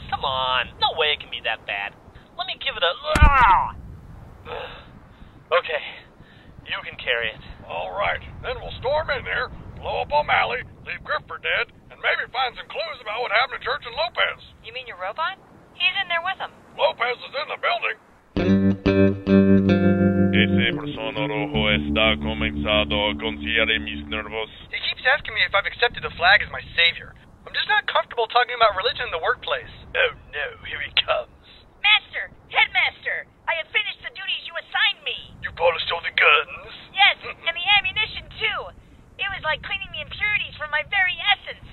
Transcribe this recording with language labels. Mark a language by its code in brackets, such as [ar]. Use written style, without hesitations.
[en] Come on, no way it can be that bad. Let me give it a... Okay, you can carry it. All right, then we'll storm in there, blow up O'Malley, leave Griff for dead, and maybe find some clues about what happened to Church and Lopez. You mean your robot? He's in there with him. Lopez is in the building. [es] Ese persona rojo está comenzado a confiere mis nervios. [en] He keeps asking me if I've accepted the flag as my savior. I'm just not comfortable talking about religion in the workplace. Oh no, here he comes. Master! Headmaster! I have finished the duties you assigned me! You bought us all the guns? Yes, and the ammunition too! It was like cleaning the impurities from my very essence!